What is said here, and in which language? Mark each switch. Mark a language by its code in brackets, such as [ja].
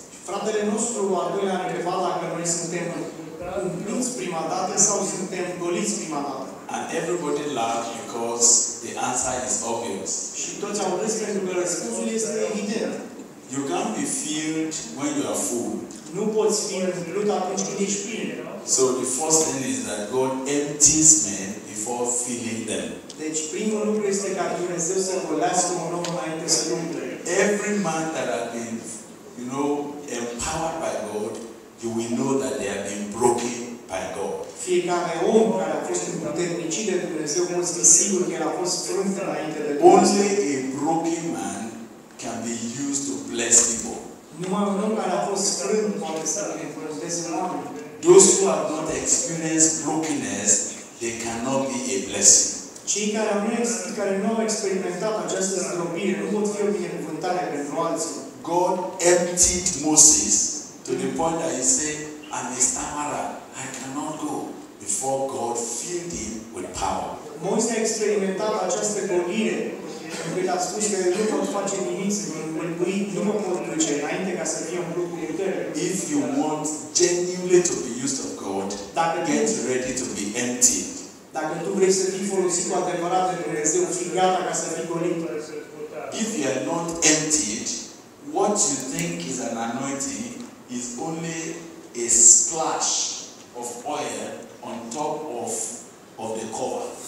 [ro] Fratele nostru al doilea a întrebat dacă noi suntem umpluți prima dată sau suntem goliți prima dată. [en] And everybody laughed because the answer is obvious. [ro] Și toți au râs pentru că răspunsul este evident. [en] You can't be filled when you are full. [ro] Nu poți fi umplut atunci când ești plin. [en] So the first thing is that God empties men before filling them. [ro] Deci primul lucru este ca Dumnezeu să golească un om înainte să umple. [en] Every man that has been, you know, empowered by God, you will know that they have been broken by God. [ro] Fiecare om care a fost împuternicit de Dumnezeu, mult spui sigur că el a fost frânt înainte de Dumnezeu. [en] Only a broken man can be used to bless people. [ro] Numai un om care a fost frânt poate să le folosesc în oameni. [en] Those who have not experienced brokenness, they cannot be a blessing. [ro] Cei care nu au experimentat această zdrobire nu pot fi o binecuvântare pentru alții. [en] God emptied Moses to the point that he said, I'm a stammerer, I cannot go. before God filled him with power. [ro] Moise a experimentat această golire, pentru că el a spus că nu pot face nimic, nu mă pot duce înainte ca să fie umplut cu putere. [en] If you want genuinely to be used of God, get ready to be emptied. [ro] Dacă tu vrei să fii folosit cu adevărat de Dumnezeu, fii gata ca să fii golit. [en] If you are not emptied, what you think is an anointing is only a splash of oil on top of the cover.